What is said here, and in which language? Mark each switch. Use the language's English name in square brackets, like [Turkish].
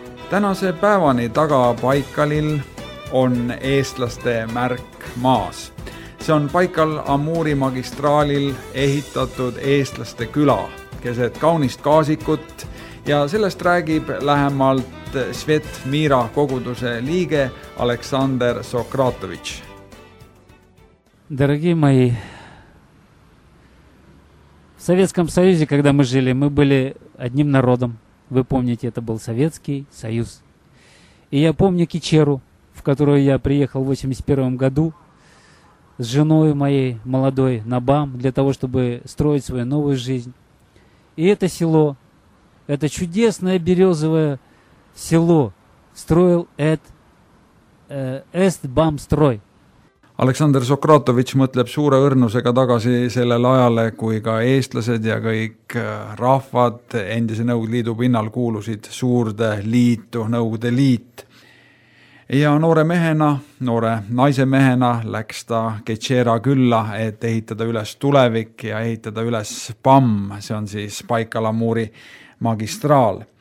[Estonian] Tänase päevani taga Baikalil on eestlaste märk maas. See on Baikal Amuuri magistraalil ehitatud eestlaste küla, keset kaunist kaasikut ja sellest räägib lähemalt Svet Miira koguduse liige Aleksander Sokratovic. [Russian] Дорогі мої, в Советском Союзе, когда мы жили, мы были одним народом. Вы помните, это был Советский Союз. И я помню Кичеру, в которую я приехал в 81 году с женой моей молодой на БАМ для того, чтобы строить свою новую жизнь. И это село, это чудесное березовое село, строил Эст-БАМ-строй. [Estonian] Aleksander Sokratovic mõtleb suure õrnusega tagasi sellel ajale, kui ka eestlased ja kõik rahvad endise Nõukogude Liidu pinnal kuulusid suurde liitu, Nõukogude Liit. Ja noore mehena, noore naise mehena läks ta Kechera külla, et ehitada üles tulevik ja ehitada üles PAM, see on siis Baikal-Amuuri magistraal.